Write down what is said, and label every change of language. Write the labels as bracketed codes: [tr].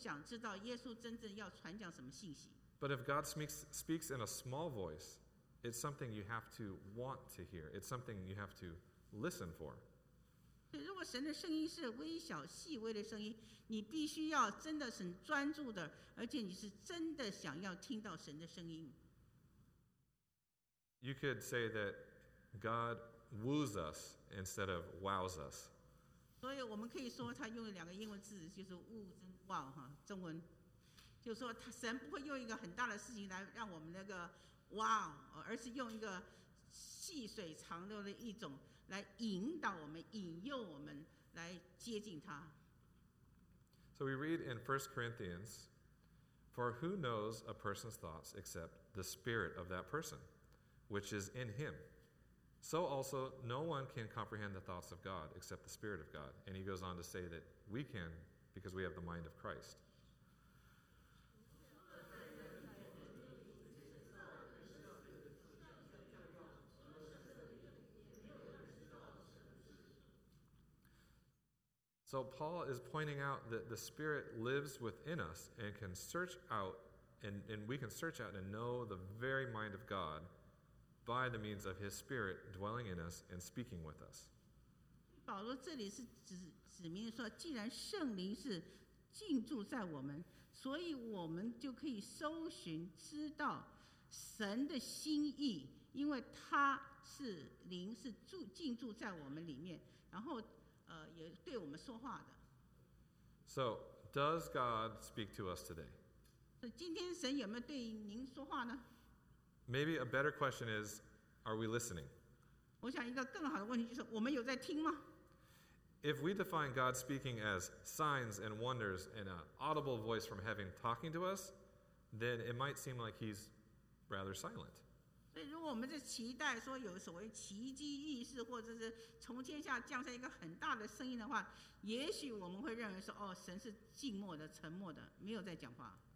[zh] 您记得在圣经记载，许多人跟随耶稣就是为了看着奇迹异事，并不想知道耶稣真正要传讲什么信息。 [en] But if God speaks in a small voice, it's something you have to want to hear. It's something you have to listen for. [zh] 如果神的声音是微小细微的声音，你必须要真的很专注的， 而且你是真的想要听到神的声音。 [en] You could say that God woos us instead of wows us. [zh] 所以我们可以说他用了两个英文字，就是 woo 跟 wow 中文。就是说神不会用一个很大的事情来让我们那个哇，而是用一个细水长流的一种来引导我们，引诱我们来接近他。 [en] So we read in 1 Corinthians, For who knows a person's thoughts except the spirit of that person, which is in him? So also, no one can comprehend the thoughts of God except the spirit of God. And he goes on to say that we can because we have the mind of Christ. So Paul is pointing out that the Spirit lives within us and can search out, and we can search out and know the very mind of God by the means of His Spirit dwelling in us and speaking with us. [zh] 保罗这里是指明说，既然圣灵是进驻在我们，所以我们就可以搜寻知道神的心意，因为他是灵是住进驻在我们里面，然后。也对我们说话的。 [en] So, does God speak to us today? [zh] 今天神有没有对您说话呢？ [en] Maybe a better question is, are we listening? [zh] 我想一个更好的问题就是，我们有在听吗？ [en] If we define God speaking as signs and wonders and an audible voice from heaven talking to us, then it might seem like he's rather silent. [zh] 所以如果我们在期待说有所谓奇迹异事或者是从天下降下一个很大的声音的话，也许我们会认为说，哦，神是静默的、沉默的，没有在讲话。